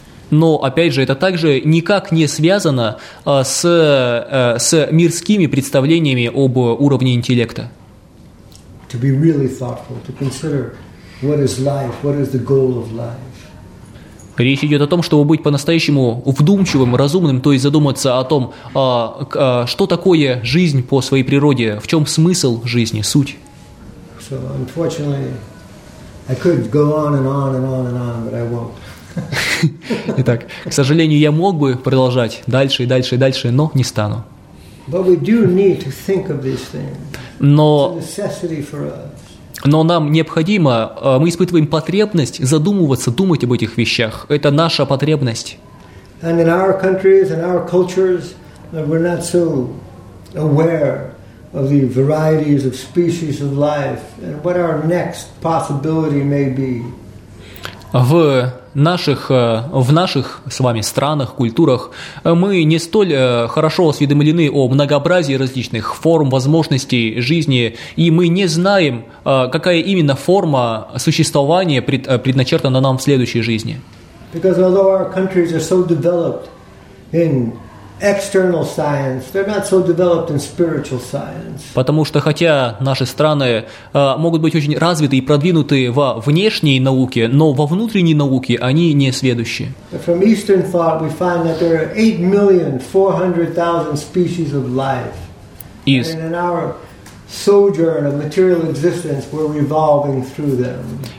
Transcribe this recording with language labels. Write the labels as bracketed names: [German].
[Russian] Но, опять же, это также никак не связано с мирскими представлениями об уровне интеллекта. [English] To be really thoughtful, to consider what is life, what is the goal of life. [Russian] Речь идет о том, чтобы быть по-настоящему вдумчивым, разумным, то есть задуматься о том, что такое жизнь по своей природе, в чем смысл жизни, суть. [English] So, unfortunately, I could go on and on and on and on, but I won't. [Russian] Итак, к сожалению, я мог бы продолжать дальше и дальше и дальше, но не стану. [English] But we do need to think of these things. [Russian] Но, [English] it's a necessity for us. [Russian] Но нам необходимо, мы испытываем потребность задумываться, думать об этих вещах. Это наша потребность. [English] And in our countries and our cultures, we're not so aware of the varieties of species of life and what our next possibility may be. [Russian] В наших с вами странах, культурах мы не столь хорошо осведомлены о многообразии различных форм, возможностей жизни, и мы не знаем, какая именно форма существования предначертана нам в следующей жизни. [English] Because although our countries are so developed in external science, they're not so developed in spiritual science. [Russian] Потому что хотя наши страны могут быть очень развиты и продвинуты во внешней науке, но во внутренней науке они не сведущи. [English] From Eastern thought, we find that there are 8,400,000 species of life. Yes. And in our sojourn of material existence, we're revolving through them.